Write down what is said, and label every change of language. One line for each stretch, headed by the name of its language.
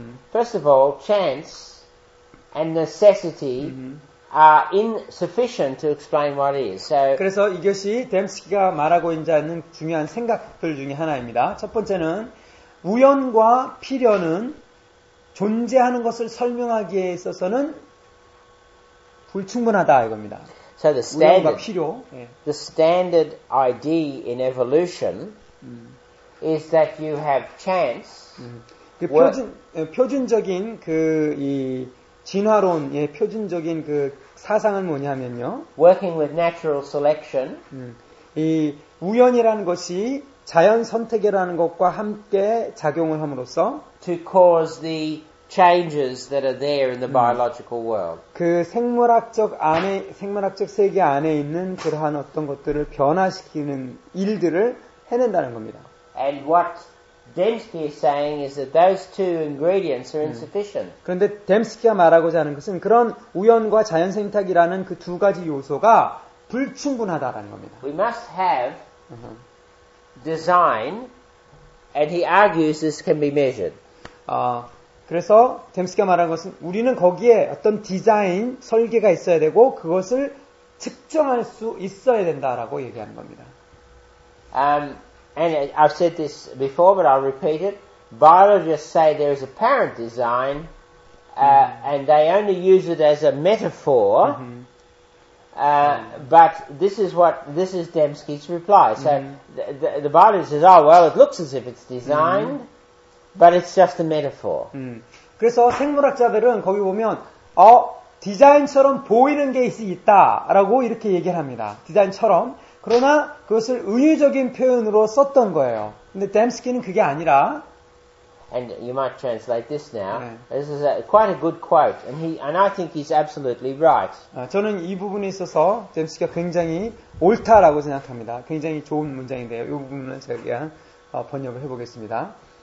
English: First of all, chance and necessity are insufficient to explain what is. So
Korean: 그래서 이것이 Dembski가 말하고 있는 중요한 생각들 중에 하나입니다. 첫 번째는 우연과 필연은 존재하는 것을 설명하기에 있어서는 불충분하다 이겁니다.
English: So the standard, the standard idea in evolution is that you have chance.
Korean: 그 표준적인 그 이 진화론의 표준적인 그 사상은 뭐냐면요.
English: Working with natural selection.
Korean: 이 우연이라는 것이 자연 선택이라는 것과 함께 작용을 함으로써
English: to cause the changes that are there in the biological world.
Korean: 그 생물학적 안에 생물학적 세계 안에 있는 그러한 어떤 것들을 변화시키는 일들을 해낸다는 겁니다.
English: And what Dembski is saying is that those two ingredients are insufficient.
Korean: 그런데 Dembski가 말하고자 하는 것은 그런 우연과 자연 생태학이라는 그 두 가지 요소가 불충분하다라는 겁니다.
English: We must have design and he argues this can be measured.
Korean: 그래서 뎀스키가 말한 것은 우리는 거기에 어떤 디자인 설계가 있어야 되고 그것을 측정할 수 있어야 된다라고 얘기하는 겁니다.
English: And I've said this before, but I'll repeat it. Biologists say there is apparent design, and they only use it as a metaphor. But this is what this is Dembski's reply. So the biologist says, "Oh well, it looks as if it's designed." But it's just a metaphor.
Korean: 그래서 생물학자들은 거기 보면 디자인처럼 보이는 게 있다라고 이렇게 얘기를 합니다. 디자인처럼. 그러나 그것을 의유적인 표현으로 썼던 거예요. 근데 뎀스키는 그게 아니라
English: And you might translate this now. This is quite a good quote. And I think he's absolutely right.
Korean: 저는 이 부분에 있어서 뎀스키가 굉장히 옳다라고 생각합니다. 굉장히 좋은 문장인데요. 이 부분은 제가 그냥 번역을 해보겠습니다.